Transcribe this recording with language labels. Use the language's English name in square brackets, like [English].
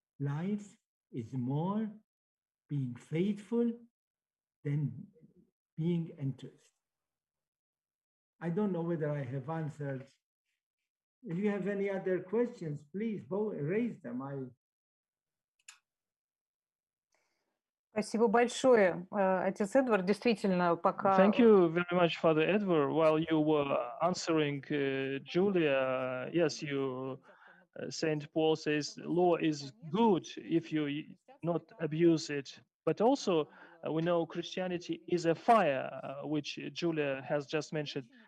[English] Life is more being faithful than being interested. I don't know whether I have answered. If you have any other questions, please raise them. [Russian] Спасибо большое, отец Эдвард. Действительно, пока... [English] Thank you very much, Father Edward. While you were answering Julia, yes, you, St. Paul says, law is good if you not abuse it. But also, we know Christianity is a fire, which Julia has just mentioned.